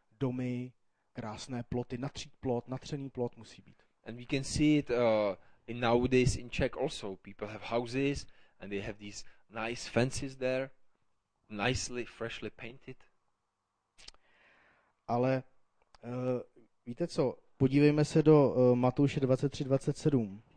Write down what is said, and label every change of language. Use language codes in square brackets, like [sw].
[cs] Domy, krásné ploty, natřený plot musí být. [en] And we can see it in nowadays in Czech also. People have houses and they have these nice fences there, nicely, freshly painted. [cs] Ale víte co, podívejme se do Matouše 23:27.